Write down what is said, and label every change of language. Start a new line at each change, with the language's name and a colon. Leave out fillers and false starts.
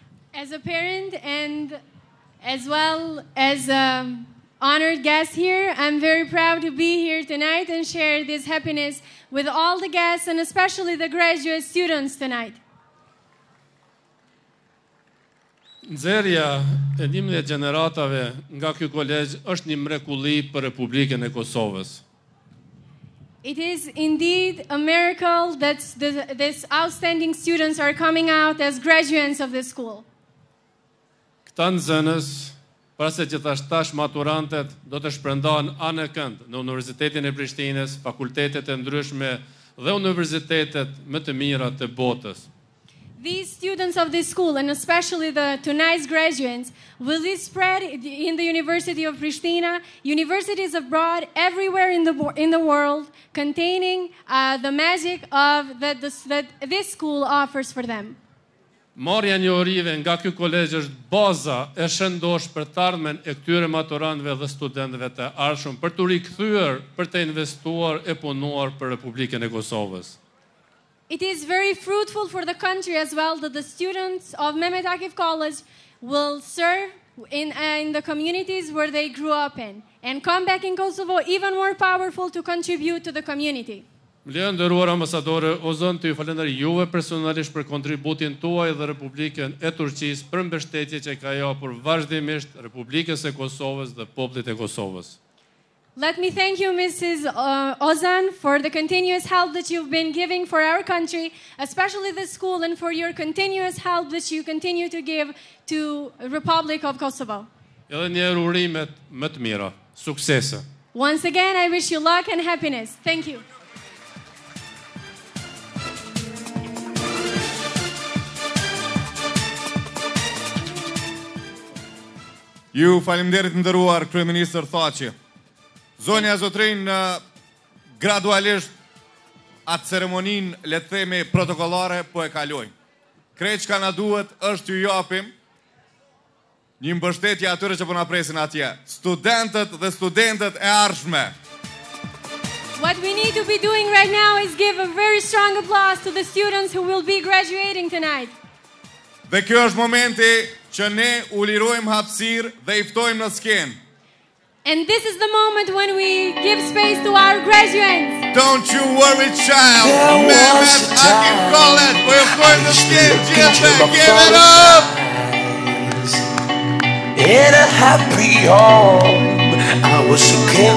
English: As a parent and as well as an honored guest here, I'm very proud to be here tonight and share this happiness with all the guests and especially the graduate students tonight.
Albanian: Nxerja e 11 gjeneratave nga ky kolegj është një mrekulli për Republikën e Kosovës.
English: It is indeed a miracle that these outstanding students are coming out as graduates of this school.
Albanian: Këta nxënës, para se gjithashtash maturantët, do të shpërndahen anë kënd në Universitetin e Prishtinës, fakultetet e ndryshme dhe universitetet më të mira të botës.
English: These students of this school, and especially the tonight's graduates, will be spread in the University of Pristina, universities abroad, everywhere in the world, containing the magic of that this school offers for them.
Albanian: Marrja e njohurive nga ky kolegj është baza e shëndosh për të ardhmen e këtyre maturantëve dhe studentëve të ardhshëm për të rikthyer, për të investuar e punuar për Republikën e Kosovës.
English: It is very fruitful for the country as well that the students of Mehmet Akif College will serve in the communities where they grew up in and come back in Kosovo even more powerful to contribute to the community.
Albanian: Më lejoni nderuar ambasadore, o zonë të ju falenderoj juve personalisht për kontributin tuaj dhe Republikën e Turqisë për mbështetjen që ka japur vazhdimisht Republikës së Kosovës dhe popullit të Kosovës.
English: Let me thank you, Mrs. Ozan, for the continuous help that you've been giving for our country, especially the school, and for your continuous help that you continue to give to the Republic of Kosovo.
Albanian: Edhe një herë urimet më të mira. Suksese.
English: Once again, I wish you luck and happiness. Thank you.
Albanian: Ju faleminderit nderuar kryeministër Thaçi. Zonja e zotrin, gradualisht atë ceremonin, le të themi, protokollare, po e kalojmë. Krejt që ka na duhet, është ju japim një mbështetje atyre që po na presin atje. Studentët dhe studentët e ardhshme.
English: What we need to be doing right now is give a very strong applause to the students who will be graduating tonight.
Albanian: Dhe kjo është momenti që ne u lirojmë hapësirë dhe i ftojmë në skenë.
English: And this is the moment when we give space to our graduates. Don't you worry, child. Mehmet Akif College. We're going to stand together. Give it up. In a happy home, I was a king.